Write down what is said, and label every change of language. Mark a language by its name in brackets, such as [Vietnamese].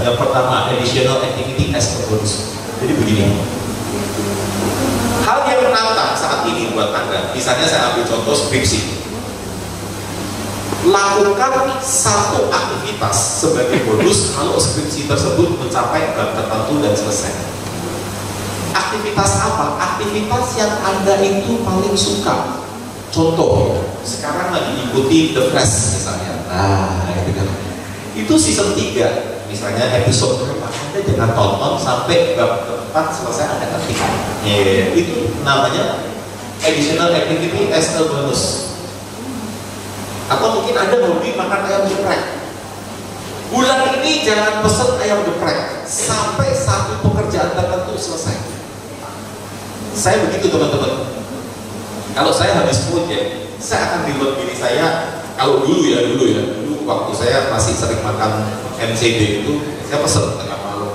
[Indonesian] Yang pertama, [English] additional activity as a bonus. [Indonesian] Jadi begini, hal yang menantang saat ini buat Anda, misalnya saya ambil contoh skripsi. Lakukan satu aktivitas sebagai bonus kalau skripsi tersebut mencapai bab tertentu dan selesai. Aktivitas apa? Aktivitas yang Anda itu paling suka. Contoh, sekarang lagi ikuti The Fresh misalnya. Nah, itu kan. Itu season 3, misalnya episode berapa? Anda jangan tonton sampai bab keempat selesai Anda ketikkan. Itu namanya [English] additional activity as a bonus. [Indonesian] Atau mungkin Anda hobi makan ayam geprek. Bulan ini jangan pesan ayam geprek sampai satu pekerjaan tertentu selesai. Saya begitu teman-teman. Kalau saya habis project, saya akan reward diri saya. Kalau dulu waktu saya masih sering makan MCD itu, saya pesen tengah malam.